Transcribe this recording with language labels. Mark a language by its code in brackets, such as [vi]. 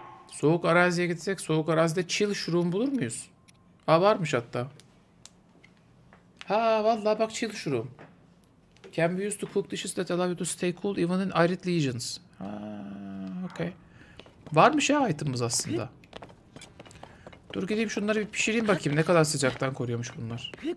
[tr] Soğuk araziye gitsek, soğuk arazide chill shroom bulur muyuz? Ha, varmış hatta. Ha vallahi bak, [en] chill shroom. Can be used to cook dishes that allow you to stay cool even in arid regions. Ha, okay. [tr] Varmış ya item'ımız aslında. Dur gideyim şunları bir pişireyim bakayım, ne kadar sıcaktan koruyormuş bunlar.